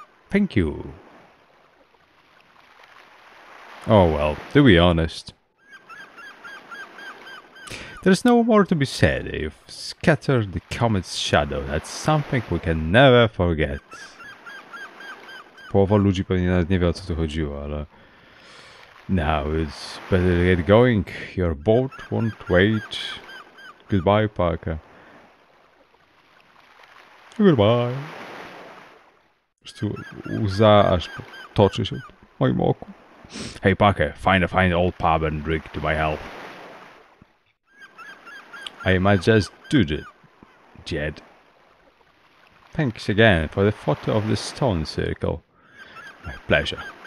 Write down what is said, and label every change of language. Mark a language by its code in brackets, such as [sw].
[en] Thank you. Oh well, to be honest, There's no more to be said. You've scattered the comet's shadow. That's something we can never forget. [pl] Połowa ludzi pewnie nawet nie wie, o co tu chodziło, ale... [en] Now it's better to get going. Your boat won't wait. Goodbye, Parker. Goodbye. [pl] Już tu łza aż toczy się w moim oku. [en] Hey, Parker, find a fine old pub and drink to my health. I might just do it, Jed. Thanks again for the photo of the stone circle. My pleasure.